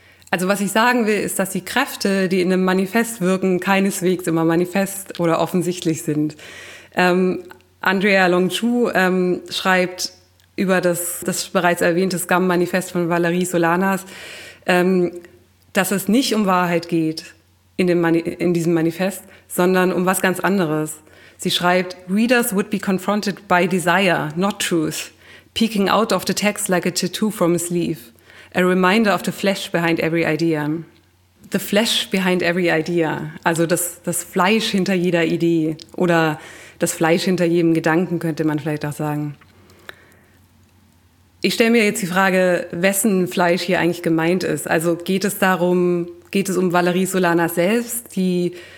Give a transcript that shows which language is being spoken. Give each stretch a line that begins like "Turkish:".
German: Also was ich sagen will, ist, dass die Kräfte, die in einem Manifest wirken, keineswegs immer manifest oder offensichtlich sind. Andrea Longchu schreibt über das bereits erwähnte Scum-Manifest von Valerie Solanas, dass es nicht um Wahrheit geht in diesem Manifest, sondern um was ganz anderes. Sie schreibt,
English: "Readers would be confronted by desire, not truth, peeking out of the text like a tattoo from a sleeve, a reminder of the flesh behind every idea." The flesh behind every idea,
German: also das Fleisch hinter jeder Idee oder das Fleisch hinter jedem Gedanken, könnte man vielleicht auch sagen. Ich stelle mir jetzt die Frage, wessen Fleisch hier eigentlich gemeint ist. Also geht es um Valerie Solana selbst, die